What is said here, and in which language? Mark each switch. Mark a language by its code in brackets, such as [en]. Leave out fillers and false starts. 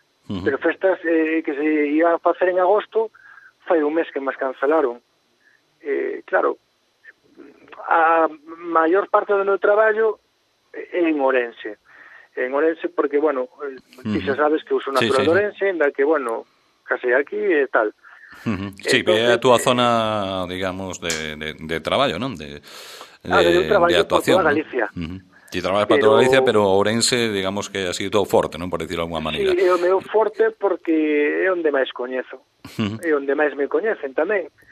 [gl] Pero festas que se iba a facer en agosto, fai un mes que más cancelaron. Claro, a maior parte do meu traballo é en Orense. En Orense porque, bueno, ti xa sabes que uso natural de Orense, en da que, bueno, case aquí e tal. Sí, que é a túa zona, digamos, de traballo, non? De actuación. Ah, de traballo para toda Galicia. [es] Ti trabajas para toda Galicia, pero Ourense, digamos que ha sido todo forte, non? Por decirlo de alguna manera. [gl] Sí, é o meu forte porque é onde máis coñezo. É onde máis me coñecen tamén.